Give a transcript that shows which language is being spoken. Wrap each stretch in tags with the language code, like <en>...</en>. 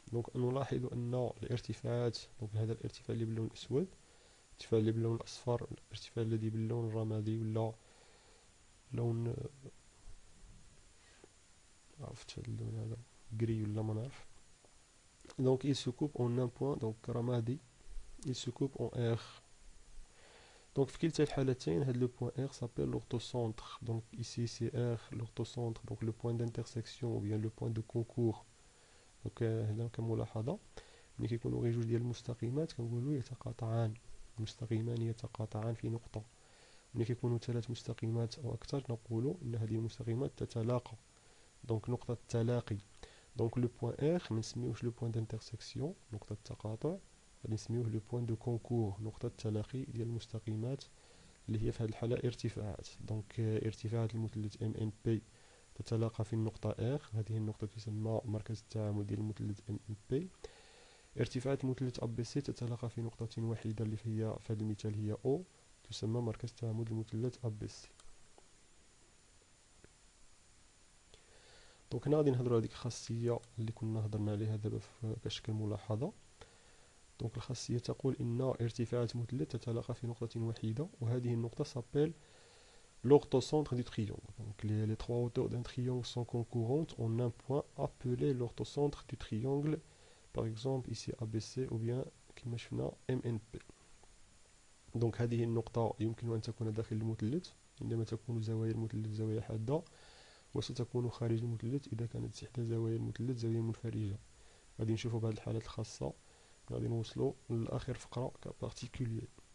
<ar>دونك نلاحظ ان الارتفاعات، دونك هذا الارتفاع اللي باللون الاسود، الارتفاع اللي باللون الاصفر، الارتفاع الذي باللون الرمادي ولا لون عرفت اللون هذا جري ولا ما نعرف، دونك</ar> <fr>il se coupe en un point</fr> <ar>دونك رمادي</ar> <fr>il se coupe en R.</fr> <ar>Donc, في كلتا الحالتين هذا لو بوان R</ar> <fr>s'appelle l'orthocentre. Donc, ici c'est R, l'orthocentre, donc le point d'intersection ou bien le point de concours.</fr> <ar>Donc, هذا كملاحظة. ملي كيكونوا غير جوج ديال المستقيمات كنقولوا يتقاطعان، المستقيمان يتقاطعان في نقطة. ملي كيكونوا ثلاث مستقيمات أو أكثر نقولوا أن هذه المستقيمات تتلاقى. دونك نقطة التلاقي. دونك لو بوان R ما نسميوش لو بوان d'intersection نقطة التقاطع. غادي نسميوه لو بوان دو كونكور نقطة التلاقي ديال المستقيمات اللي هي في هذه الحالة ارتفاعات، دونك ارتفاعات المثلث ام ان بي تتلاقى في النقطة اخ، هذه النقطة تسمى مركز التعامد ديال المثلث ام ان بي، ارتفاعات المثلث ا بي سي تتلاقى في نقطة واحدة اللي هي في هذا المثال هي او تسمى مركز التعامد المثلث ا بي سي. دونك هنا غادي نهضرو على هذيك الخاصية اللي كنا هضرنا عليها دابا كشكل ملاحظة. دونك الخاصية تقول إن ارتفاعات مثلث تتلاقى في نقطة واحدة، وهذه النقطة سابيل</ar> <fr>l'orthocentre du triangle. Donc les trois hauteurs d'un triangle sont concurrentes en un point appelé l'orthocentre du triangle. Par exemple ici ABC ou bien كيمشفنا MNP.</fr> <ar>Donc هذه النقطة يمكن أن تكون داخل المثلث عندما تكون زوايا المثلث زوايا حادة، وستكون خارج المثلث إذا كانت إحدى زوايا المثلث زوايا منفرجة. غادي نشوفوا بعض الحالات الخاصة، غادي نوصلوا لآخر فقرة كبارتيكولير.</ar>